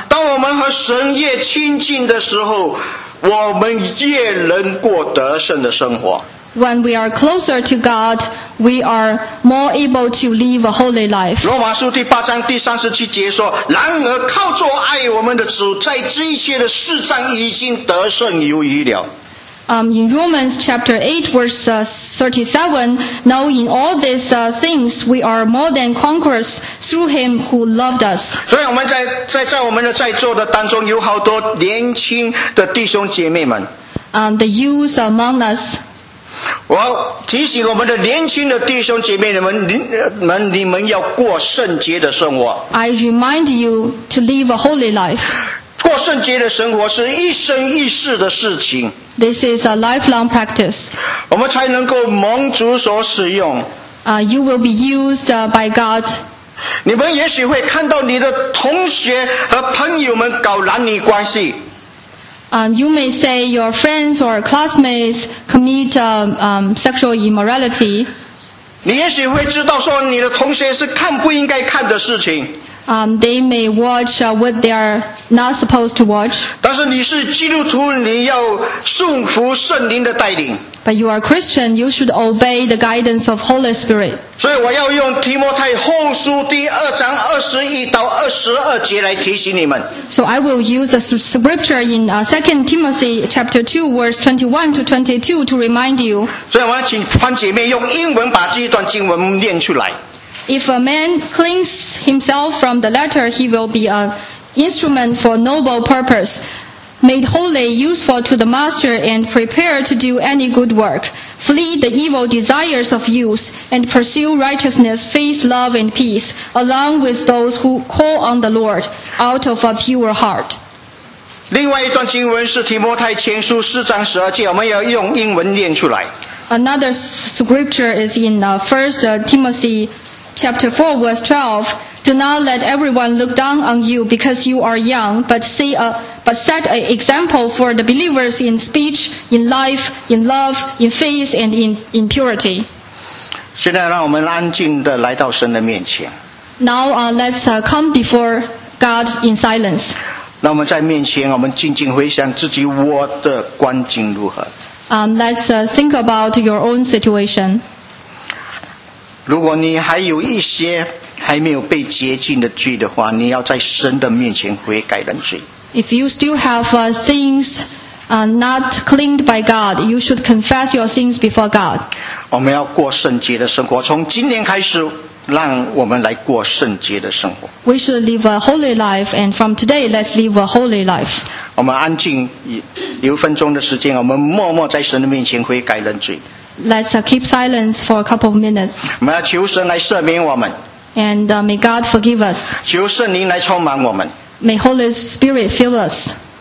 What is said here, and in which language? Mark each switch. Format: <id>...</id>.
<zh>当我们和神越亲近的时候，我们越能过得胜的生活。</zh> <en>When we are closer to God, we are more able to live a holy life.</en> <zh>罗马书第八章第三十七节说，然而靠着爱我们的主，在这一切的事上已经得胜有余了。</zh> <en>In Romans chapter 8 verse 37, now in all these things we are more than conquerors through him who loved us.</en> <zh>所以我们在我们的在座的当中有好多年轻的弟兄姐妹们。</zh> <en>The youth among us.</en> <zh>我提醒我们的年轻的弟兄姐妹们，你们要过圣洁的生活。</zh> <en>I remind you to live a holy life.</en> <zh>过圣洁的生活是一生一世的事情。</zh> <en>This is a lifelong practice.</en> <zh>我们才能够蒙主所使用。</zh> <en>You will be used by God.</en> <zh>你们也许会看到你的同学和朋友们搞男女关系。</zh> <en>You may say your friends or classmates commit sexual immorality.</en> <zh>你也许会知道说你的同学是看不应该看的事情。</zh> <en>They may watch what they are not supposed to watch.</en> <zh>但是你是基督徒，你要顺服圣灵的带领。</zh> <en>But you are Christian, you should obey the guidance of Holy Spirit.</en> <zh>所以我要用提摩太后书第二章二十一到二十二节来提醒你们。</zh> <en>So I will use the scripture in 2 Timothy chapter 2 verse 21 to 22 to remind you.</en> <zh>所以我要请潘姐妹用英文把这一段经文念出来。</zh> <en>If a man cleans himself from the latter, he will be an instrument for noble purpose, made holy, useful to the master, and prepared to do any good work. Flee the evil desires of youth, and pursue righteousness, faith, love, and peace, along with those who call on the Lord out of a pure heart.</en> <zh>另外一段经文是提摩太前书四章十二节，我们要用英文念出来。</zh> <en>Another scripture is in 1 Timothy Chapter 4, verse 12. Do not let everyone look down on you because you are young, but set an example for the believers in speech, in life, in love, in faith, and in purity.</en> <zh>现在让我们安静地来到神的面前。</zh> <en>Now, let's come before God in silence.</en> <zh>让我们在面前，我们静静回想自己我的光景如何。</zh> <en>Let's think about your own situation.</en> <zh>如果你还有一些还没有被洁净的罪的话，你要在神的面前悔改认罪。</zh> <en>If you still have things not cleaned by God, you should confess your sins before God.</en> <zh>我们要过圣洁的生活，从今天开始，让我们来过圣洁的生活。</zh> <en>We should live a holy life, and from today, let's live a holy life.</en> <zh>我们安静有一分钟的时间，我们默默在神的面前悔改认罪。</zh> <en>Let's keep silence for a couple of minutes.</en> <zh>我们要求神来赦免我们。</zh> <en>And may God forgive us.</en> <zh>求圣灵来充满我们。</zh> <en>May Holy Spirit fill us.</en>